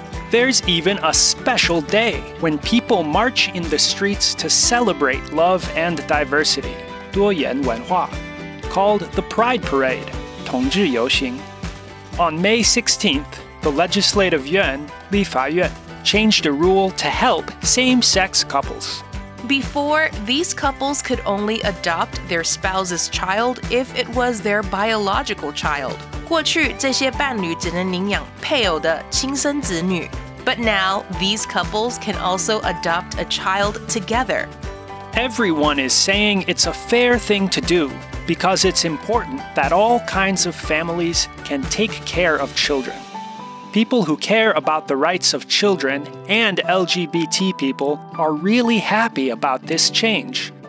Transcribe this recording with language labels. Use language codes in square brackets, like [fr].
[en] There's even a special day when people march in the streets to celebrate love and diversity, [zh] 多元文化, [en] called the Pride Parade, [zh] 同志游行. [en] On May 16th,The Legislative Yuan, [zh] 立法院, [en] changed a rule to help same-sex couples. Before, these couples could only adopt their spouse's child if it was their biological child. [zh] 过去这些伴侣只能领养配偶的亲生子女。 [en] But now, these couples can also adopt a child together. Everyone is saying it's a fair thing to do because it's important that all kinds of families can take care of children. People who care about the rights of children and LGBT people are really happy about this change.